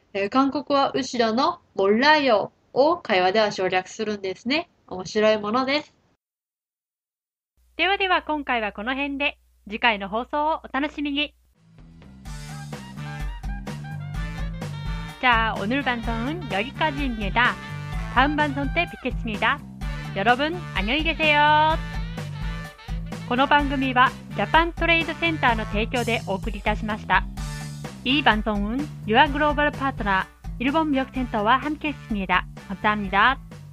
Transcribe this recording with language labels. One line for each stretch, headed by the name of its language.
Japanese: 韓国は後ろの「もらいよ」を会話では省略するんですね。面白いものです。ではでは、今回はこの辺で、次回の放送をお楽しみに。じゃあ、
Korean: 오늘방송은여기까지입니다。 다음방송때뵙겠습니다。 여러분、안녕히계세요。
Japanese: この番組は、ジャパントレードセンターの提供でお送りいたしました。
Korean: 이방송은유아글로벌파트너일본무역센터와함께했습니다。감사합니다。